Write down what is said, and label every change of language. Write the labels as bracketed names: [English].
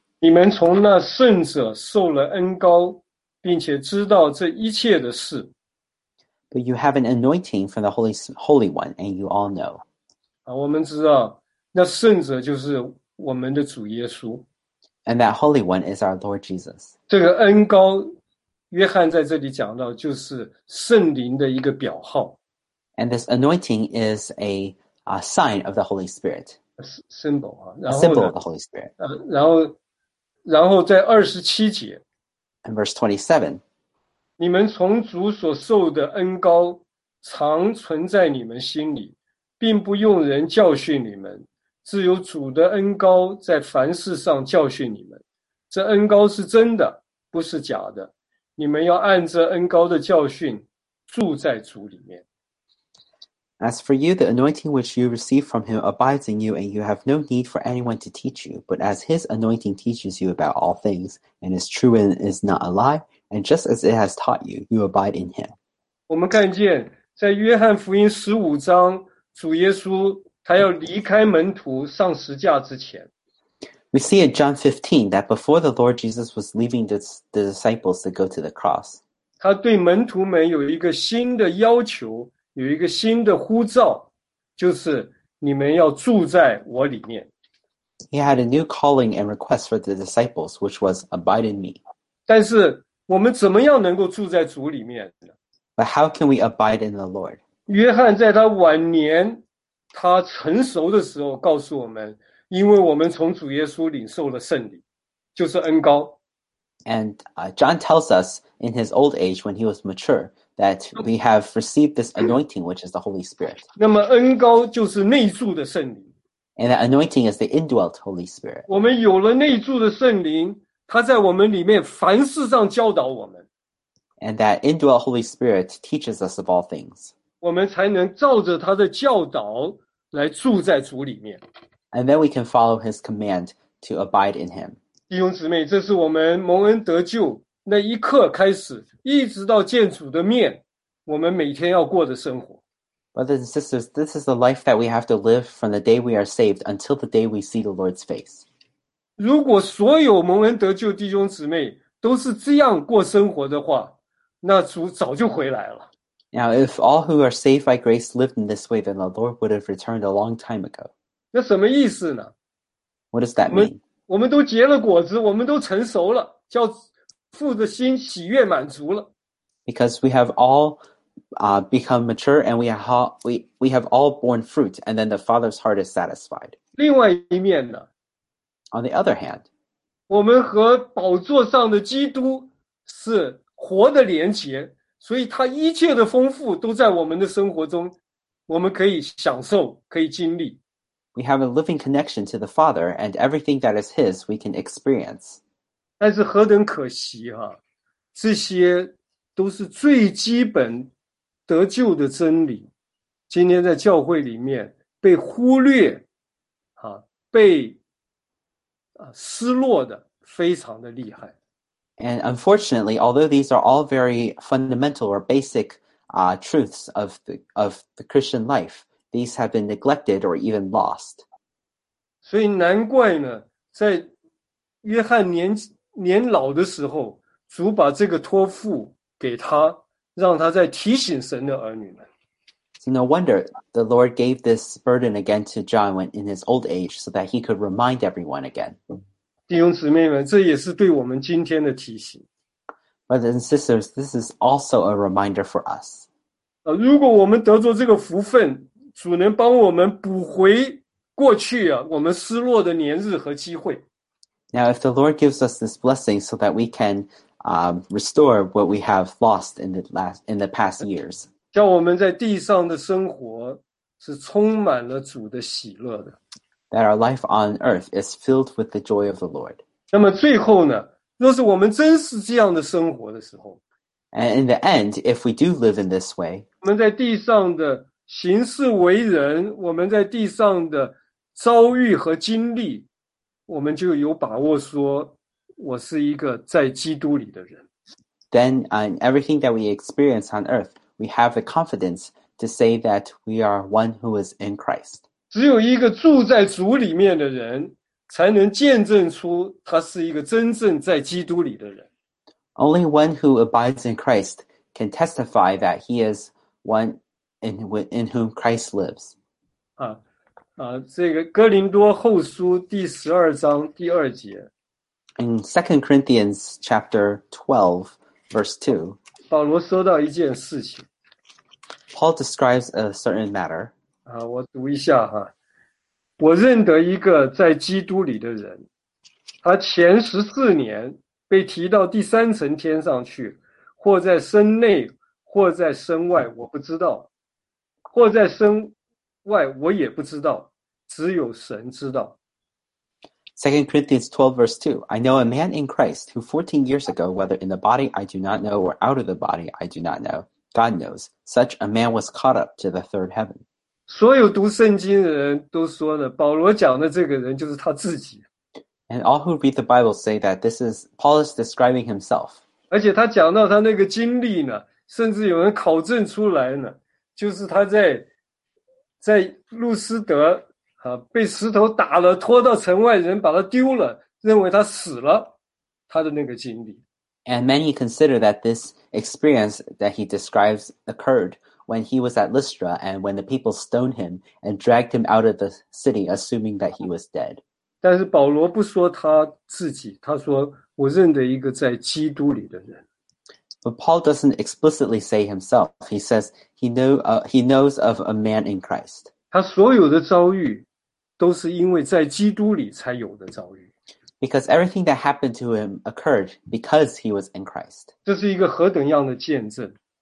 [Chinese] 你们从那圣者受了恩膏，并且知道这一切的事。 [English] But you have an anointing from the Holy One, and you all know. [Chinese] 我们知道那圣者就是我们的主耶稣。 [English] And that Holy One is our Lord Jesus. [Chinese] 这个恩膏，约翰在这里讲到，就是圣灵的一个表号。 [English] And this anointing is a sign of the Holy Spirit. A symbol of the Holy Spirit. [Chinese] 然后在27节。 [English] And verse 27. [Chinese] 你们从主所受的恩膏常存在你们心里，并不用人教训你们，只有主的恩膏在凡事上教训你们。这恩膏是真的，不是假的。你们要按这恩膏的教训住在主里面。 [English] As for you, the anointing which you receive from him abides in you, and you have no need for anyone to teach you. But as his anointing teaches you about all things, and is true and is not a lie, and just as it has taught you, you abide in him. [Chinese] 我们看见在约翰福音十五章，主耶稣他要离开门徒上十架之前。 [English] We see in John 15 that before the Lord Jesus was leaving the disciples to go to the cross, [Chinese] 他对门徒们有一个新的要求。有一个新的呼召，就是你们要住在我里面。 [English] He had a new calling and request for the disciples, which was abide in me. [Chinese] 但是我们怎么样能够住在主里面呢？ [English] But how can we abide in the Lord? [Chinese] 约翰在他晚年，他成熟的时候告诉我们，因为我们从主耶稣领受了圣灵，就是恩膏。 [English] And John tells us in his old age when he was mature,that we have received this anointing, which is the Holy Spirit. [Chinese] 那么恩膏就是内住的圣灵。 [English] And the anointing is the indwelt Holy Spirit. [Chinese] 我们有了内住的圣灵，他在我们里面凡事上教导我们。 [English] And that indwelt Holy Spirit teaches us of all things. [Chinese] 我们才能照着他的教导来住在主里面。 [English] And then we can follow his command to abide in him. [Chinese] 弟兄姊妹，这是我们蒙恩得救那一刻开始，一直到见主的面，我们每天要过的生活。 [English] Brothers and sisters, this is the life that we have to live from the day we are saved until the day we see the Lord's face. [Chinese] 如果所有蒙恩得救弟兄姊妹都是这样过生活的话，那主早就回来了。 [English] Now, if all who are saved by grace lived in this way, then the Lord would have returned a long time ago. [Chinese] 那什么意思呢？ [English] What does that mean? [Chinese] 我们都结了果子，我们都成熟了，叫父的心喜悦满足了。 [English] Because we have all become mature and we have all borne fruit and then the Father's heart is satisfied. [Chinese] 另外一面呢？ [English] On the other hand, [Chinese] 我们和宝座上的基督是活的连结，所以他一切的丰富都在我们的生活中，我们可以享受，可以经历。 [English] We have a living connection to the Father and everything that is His we can experience. [Chinese] 但是何等可惜啊，这些都是最基本得救的真理，今天在教会里面被忽略啊，被失落的非常的厉害。 [English] And unfortunately, although these are all very fundamental or basic truths of the Christian life, these have been neglected or even lost. [Chinese] 所以难怪呢，在约翰年老的时候，主把这个托付给他，让他在提醒神的儿女们。 [English] So no wonder the Lord gave this burden again to John when in his old age, so that he could remind everyone again. [Chinese] 弟兄姊妹们，这也是对我们今天的提醒。 [English] Brothers and sisters, this is also a reminder for us. [Chinese] 如果我们得着这个福分，主能帮我们补回过去啊，我们失落的年日和机会。 [English] Now, if the Lord gives us this blessing so that we can restore what we have lost in the past years, [Chinese] 叫我们在地上的生活是充满了主的喜乐的。 [English] That our life on earth is filled with the joy of the Lord. [Chinese] 那么最后呢，若是我们真是这样的生活的时候， [English] And in the end, if we do live in this way, [Chinese] 我们在地上的行事为人，我们在地上的遭遇和经历，我们就有把握说我是一个在基督里的人。 [English] Then, in everything that we experience on earth, we have the confidence to say that we are one who is in Christ. [Chinese] 只有一个住在主里面的人才能见证出他是一个真正在基督里的人。 [English] Only one who abides in Christ can testify that he is one in whom Christ lives. [Chinese] 这个哥林多后书第十二章第二节。 [English] In 2 Corinthians chapter 12, verse 2, [Chinese] 保罗说到一件事情。 [English] Paul describes a certain matter. [Chinese] 我读一下哈。我认得一个在基督里的人，他前14年被提到第三层天上去，或在身内，或在身外，我不知道。或在身外我也不知道，只有神知道。 [English] 2 Corinthians 12 verse 2, I know a man in Christ who 14 years ago, whether in the body I do not know or out of the body I do not know, God knows, such a man was caught up to the third heaven. [Chinese] 所有读圣经的人都说了，保罗讲的这个人就是他自己。 [English] And all who read the Bible say that this is Paul is describing himself. [Chinese] 而且他讲到他那个经历呢，甚至有人考证出来呢，就是他在路斯德被石头打了，拖到城外，人把他丢了，认为他死了，他的那个经历。 [English] And many consider that this experience that he describes occurred when he was at Lystra and when the people stoned him and dragged him out of the city, assuming that he was dead. [Chinese] 但是保罗不说他自己，他说我认得一个在基督里的人。 [English] But Paul doesn't explicitly say himself. He says he knows of a man in Christ. [Chinese] 他所有的遭遇都是因为在基督里才有的遭遇。 [English] Because everything that happened to him occurred because he was in Christ. [Chinese] 这是一个何等样的见证。